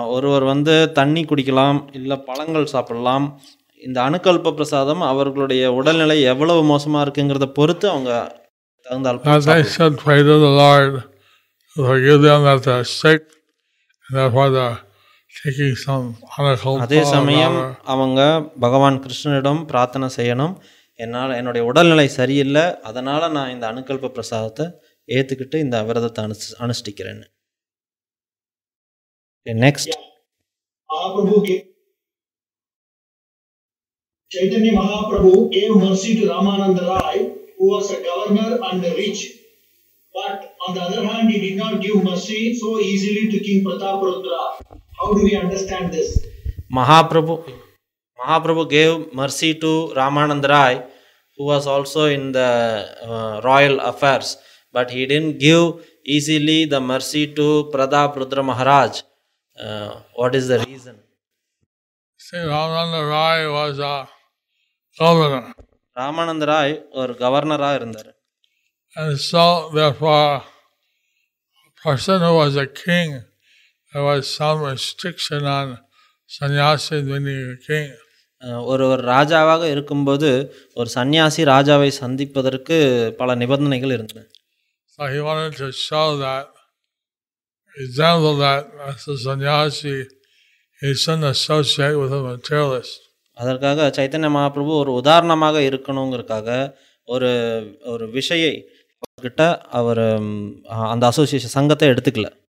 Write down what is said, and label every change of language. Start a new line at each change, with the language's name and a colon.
Tamil: ஒருவர் வந்து தண்ணி குடிக்கலாம் இல்ல பழங்கள் சாப்பிடலாம். இந்த அணுக்கல்பு பிரசாதம் அவர்களுடைய உடல்நிலை எவ்வளவு மோசமா இருக்குங்கிறத பொறுத்து அவங்க.
English: As I said, pray to the Lord to forgive them that they are sick and therefore they are taking some anakalpa.
Tamil: அதே சமயம் அவங்க பகவான் கிருஷ்ணனிடம் பிரார்த்தனை செய்யணும், என்னால் என்னுடைய உடல்நிலை சரியில்லை, அதனால் நான் இந்த அணுக்கல்ப பிரசாதத்தை ஏற்றுக்கிட்டு இந்த விரதத்தை அனுஷ்டிக்கிறேன்னு.
English: Next, Chaitanya Mahaprabhu gave mercy to Ramananda Rai who was a governor and a rich, but on the other hand, he did not give mercy so easily to King Prataparudra. How do we understand this? Mahaprabhu gave mercy to Ramananda Rai, who was also in the royal affairs, but he didn't give easily the mercy to Prataparudra Maharaj. What is the reason? See, Ramananda Rai was a governor.
Tamil: Ramananda Rai ஒரு கவர்னராக இருந்தார்.
English: And so, therefore, a person who was a king, there was some restriction on sannyasi when he was a king.
Tamil: ஒரு ராஜாவாக இருக்கும்போது ஒரு சன்னியாசி ராஜாவை சந்திப்பதற்கு பல நிபந்தனைகள் இருந்தன.
English: So he wanted to show that example that as a sannyasi, he shouldn't associate with a materialist.
Tamil: அதற்காக சைத்தன்ய மகாபிரபு ஒரு உதாரணமாக இருக்கணுங்கிறதுக்காக ஒரு ஒரு விஷயை கிட்ட அவர் அந்த அசோசியேஷன் சங்கத்தை எடுத்துக்கல.